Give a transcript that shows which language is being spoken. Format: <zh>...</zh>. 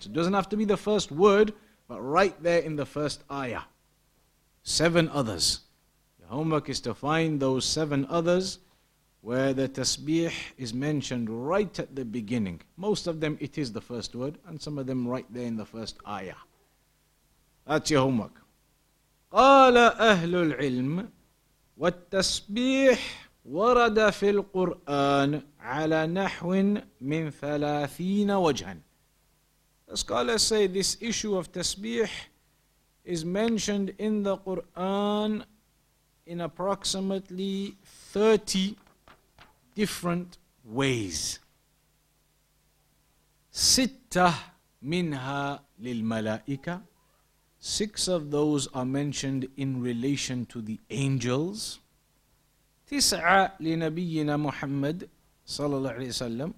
<en>So it doesn't have to be the first word, but right there in the first ayah. 7 others. The homework is to find those 7 others where the tasbih is mentioned right at the beginning. Most of them it is the first word, and some of them right there in the first ayah. That's your homework.</en> <ar>قَالَ أَهْلُ الْعِلْمِ والتسبيح ورد في القرآن على نحو من 30 وجها.</ar> <en>The scholars say this issue of tasbih is mentioned in the Quran in approximately 30 different ways.</en> <ar>6 منها للملائكة.</ar> <en>6 of those are mentioned in relation to the angels.</en> <ar>9 لنبينا محمد صلى الله عليه وسلم.</ar>